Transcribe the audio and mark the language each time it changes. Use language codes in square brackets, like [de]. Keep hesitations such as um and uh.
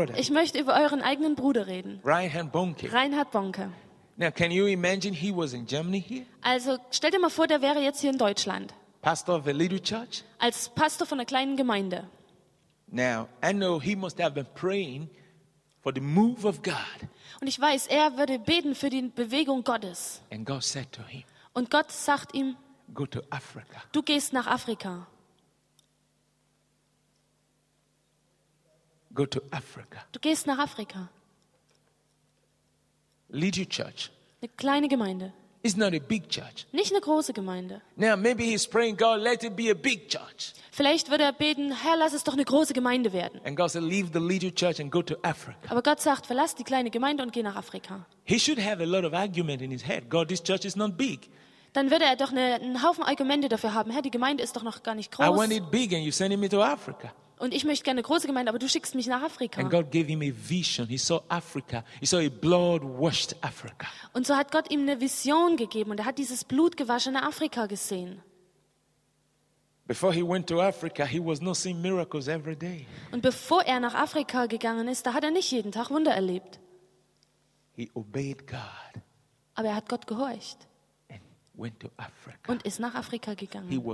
[de] möchte über euren eigenen Bruder reden. Reinhard Bonke. Reinhard Bonke. [en] Now, can you imagine he was in Germany here? [de] Also, stell dir mal vor, der wäre jetzt hier in Deutschland. [en] Pastor of a little church. [de] Als Pastor von einer kleinen Gemeinde. [en] Now, I know he must have been praying for the move of God. [de] Und ich weiß, er würde beten für die Bewegung Gottes. [en] And God said to him. [de] Und Gott sagt ihm. [en] Go to Africa. [de] Du gehst nach Afrika. [en] Go to Africa. [de] Du gehst nach Afrika. [en] Lead church. [de] Eine kleine Gemeinde. Nicht eine große Gemeinde. [en] Now maybe he's praying, God, let it be a big church. [de] Vielleicht würde er beten, Herr, lass es doch eine große Gemeinde werden. [en] And God said, leave the little church and go to Africa. [de] Aber Gott sagt, verlass die kleine Gemeinde und geh nach Afrika. [en] He should have a lot of argument in his head. God, this church is not big. [de] Dann würde er doch eine, einen Haufen Argumente dafür haben. Herr, die Gemeinde ist doch noch gar nicht groß. [en] I want it big and you're sending me to Africa [de] und ich möchte gerne große Gemeinde, aber du schickst mich nach Afrika. [en] And God gave him a vision. He saw Africa. He saw a blood-washed Africa. [de] Und so hat Gott ihm eine Vision gegeben und er hat dieses blutgewaschene Afrika gesehen. [en] Before he went to Africa, he was not seeing miracles every day. [de] Und bevor er nach Afrika gegangen ist, da hat er nicht jeden Tag Wunder erlebt. [en] He obeyed God. [de] Aber er hat Gott gehorcht. [en] Went to Africa. [de] und ist nach Afrika gegangen.